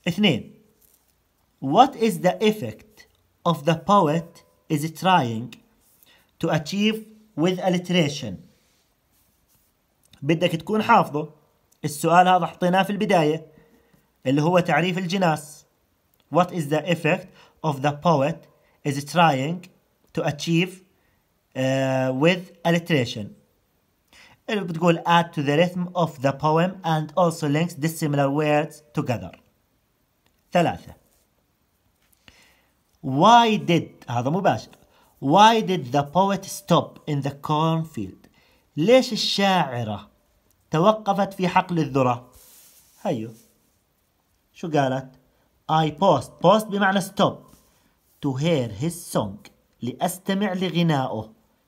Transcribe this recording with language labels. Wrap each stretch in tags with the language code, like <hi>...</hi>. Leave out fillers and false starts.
<ar>اثنين،</ar> <en>what is the effect of the poet is trying to achieve with alliteration؟</en> <ar>بدك تكون حافظه السؤال هذا، حطيناه في البداية اللي هو تعريف الجناس.</ar> <en>What is the effect of the poet is trying to achieve with alliteration؟</en> <ar>اللي بتقول</ar> <en>add to the rhythm of the poem and also links dissimilar words together.</en> <ar>ثلاثة،</ar> <en>why did،</en> <ar>هذا مباشر،</ar> <en>why did the poet stop in the cornfield؟</en> <ar>ليش الشاعرة توقفت في حقل الذرة؟ هيو شو قالت؟</ar> <en>I paused، paused</en> <ar>بمعنى</ar> <en>stop، to hear his song،</en> <ar>لأستمع لغنائه.</ar>